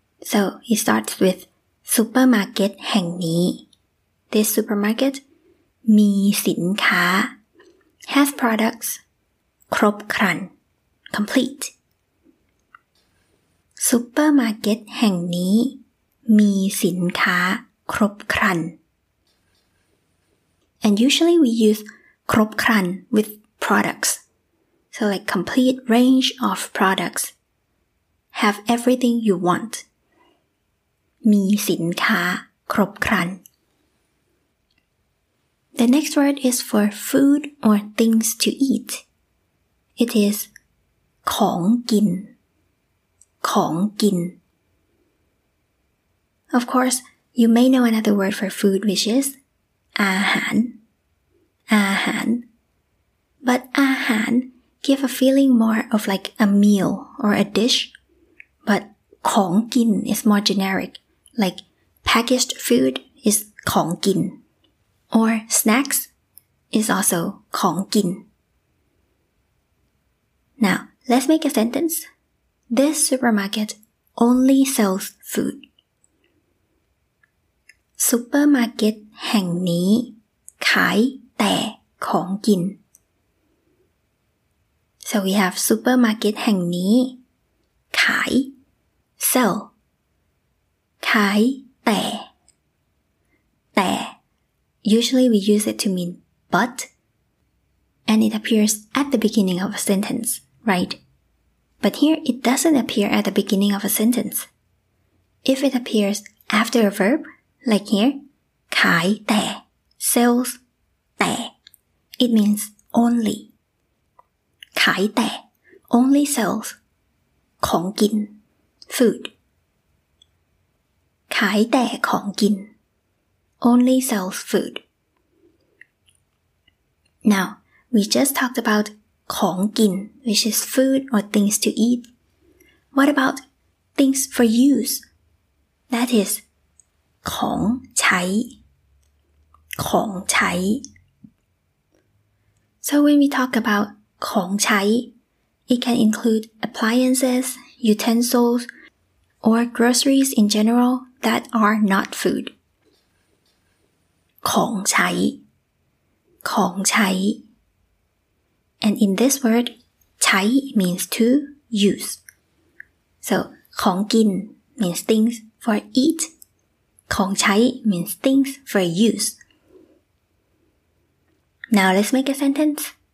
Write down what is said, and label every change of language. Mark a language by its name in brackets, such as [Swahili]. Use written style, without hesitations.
[English] So it starts with [Thai] ซุปเปอร์มาร์เก็ตแห่งนี้ [English] This supermarket [Thai] มีสินค้า [English] has products ครบครัน complete [Thai] ซุปเปอร์มาร์เก็ตแห่งนี้มีสินค้าครบครัน [English] And usually we useครบครัน with products. So like complete range of products. Have everything you want. [Thai] มีสินค้าครบครัน [English] The next word is for food or things to eat. It is ของกินของกิน Of course, you may know another word for food which is อาหารอาหาร but อาหาร give a feeling more of like a meal or a dish, but ของกิน is more generic, like packaged food is ของกิน, or snacks is also ของกิน. Now, let's make a sentence. This supermarket only sells food. [Thai] ซูเปอร์มาร์เก็ตแห่งนี้ขายแต่ของกิน. [English] So we have [Thai] ซูเปอร์มาร์เก็ตแห่งนี้ขาย [English] sell ขายแต่ usually we use it to mean but and it appears at the beginning of a sentence, right? But here it doesn't appear at the beginning of a sentence. If it appears after a verb, like here, ขายแต่ sells แต่ it means only. ขายแต่ only sells ของกิน food. [Thai] ขายแต่ของกิน [English] only sells food. Now, we just talked about ของกิน, which is food or things to eat. What about things for use? That is,ของใช้ของใช้ So when we talk about ของใช้ it can include appliances, utensils, or groceries in general that are not food. ของใช้ของใช้ And in this word, ใช้ means to use. So ของกิน means things for eat. ของใช้ means things for use. Now let's make a sentence.